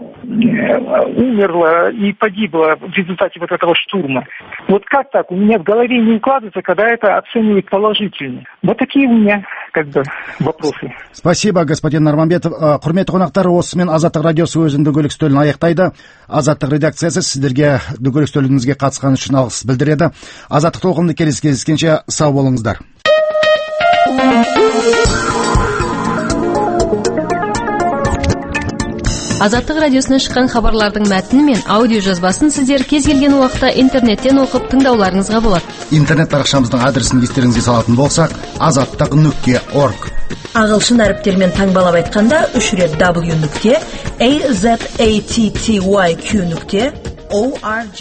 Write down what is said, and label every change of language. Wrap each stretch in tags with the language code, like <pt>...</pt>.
<ru>умерло и погибло в результате вот этого штурма. Вот как так? У меня в голове не укладывается, когда это оценивают положительно. Вот такие у меня, как бы, вопросы. Спасибо, господин Нурмамбетов.</ru> <kk>Құрметті қонақтар, осымен Азаттық радиосы өзінің дөңгелек үстелін аяқтайды. Азаттық редакциясы сіздерге дөңгелек үстеліңізге қатысқан үшін алғыс білдіреді. Азаттық толқынында келесі кездескенше сау болыңыздар. Азаттық радиосына шыққан хабарлардың мәтіні мен аудио жазбасын сіздер кез келген уақытта интернеттен оқып тыңдауларыңызға болады. Интернет парақшамыздың адресін естеріңізге салатын болсақ, azattak.org. Ағылшын әріптермен таңбалап айтқанда, www.azattq.org.</kk>